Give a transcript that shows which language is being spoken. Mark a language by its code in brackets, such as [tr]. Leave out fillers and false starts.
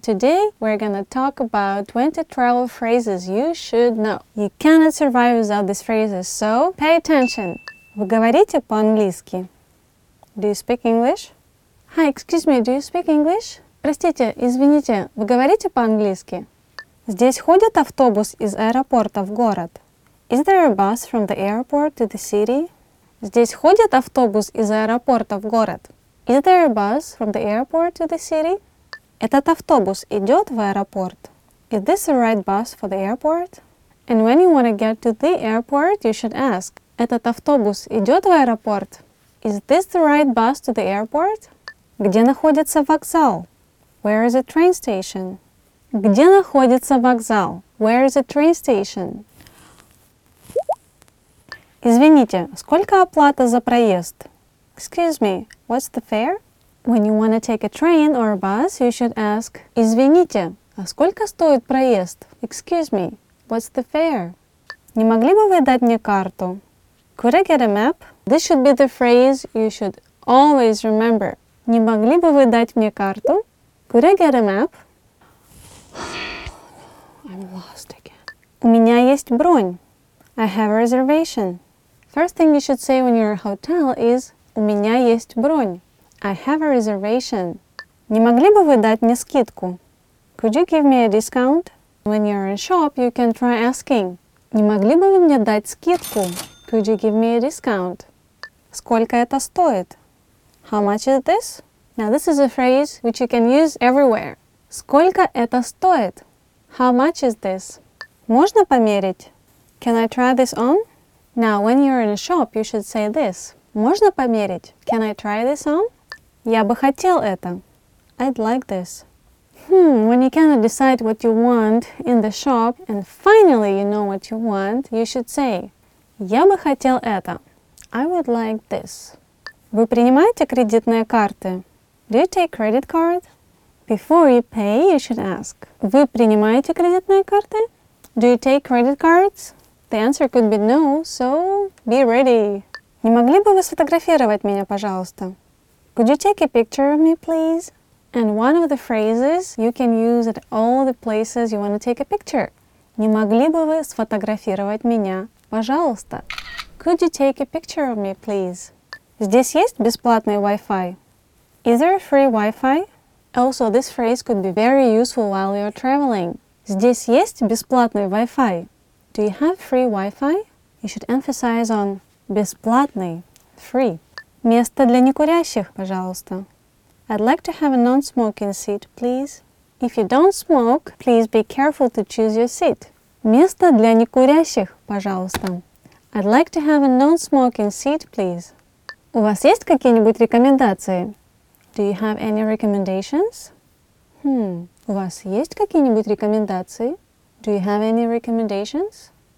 [en] Today, we're gonna talk about 20 travel phrases you should know. You cannot survive without these phrases, so pay attention! [ru] Вы говорите по-английски? [en] Do you speak English? Hi, excuse me, do you speak English? [ru] Простите, извините, вы говорите по-английски? Здесь ходит автобус из аэропорта в город? [en] Is there a bus from the airport to the city? [ru] Здесь ходит автобус из аэропорта в город? [en] Is there a bus from the airport to the city? [ru] Этот автобус идет в аэропорт? [en] Is this the right bus for the airport? And when you want to get to the airport, you should ask, [ru] Этот автобус идет в аэропорт? [en] Is this the right bus to the airport? [ru] Где находится вокзал? [en] Where is the train station? [ru] Где находится вокзал? [en] Where is the train station? [ru] Извините, сколько оплата за проезд? [en] Excuse me, what's the fare? When you want to take a train or a bus, you should ask, [ru] Извините, а сколько стоит проезд? [en] Excuse me, what's the fare? [ru] Не могли бы вы дать мне карту? [en] Could I get a map? This should be the phrase you should always remember. [ru] Не могли бы вы дать мне карту? [en] Could I get a map? I'm lost again. [ru] У меня есть бронь. [en] I have a reservation. First thing you should say when you're in a hotel is, [ru] У меня есть бронь. [en] I have a reservation. [ru] Не могли бы вы дать мне скидку? [en] Could you give me a discount? When you're in shop, you can try asking. [ru] Не могли бы вы мне дать скидку? [en] Could you give me a discount? [ru] Сколько это стоит? [en] How much is this? Now this is a phrase which you can use everywhere. [ru] Сколько это стоит? [en] How much is this? [ru] Можно померить? [en] Can I try this on? Now when you're in a shop, you should say this. [ru] Можно померить? [en] Can I try this on? [ru] Я бы хотел это. [en] I'd like this. When you cannot decide what you want in the shop, and finally you know what you want, you should say, [ru] Я бы хотел это. [en] I would like this. [ru] Вы принимаете кредитные карты? [en] Do you take credit card? Before you pay, you should ask, [ru] Вы принимаете кредитные карты? [en] Do you take credit cards? The answer could be no, so be ready. [ru] Не могли бы вы сфотографировать меня, пожалуйста? [en] Could you take a picture of me, please? And one of the phrases you can use at all the places you want to take a picture. [ru] Не могли бы вы сфотографировать меня, пожалуйста? [en] Could you take a picture of me, please? [ru] Здесь есть бесплатный Wi-Fi? [en] Is there a free Wi-Fi? Also, this phrase could be very useful while you're traveling. [ru] Здесь есть бесплатный Wi-Fi? [en] Do you have free Wi-Fi? You should emphasize on Бесплатный. Free. [ru] Место для некурящих, пожалуйста. [en] I'd like to have a non-smoking seat, please. If you don't smoke, please be careful to choose your seat. [ru] Место для некурящих, пожалуйста. [en] I'd like to have a non-smoking seat, please. [ru] У вас есть какие-нибудь рекомендации? [en] Do you have any recommendations? [ru] У вас есть какие-нибудь рекомендации? [en] Do you have any recommendations?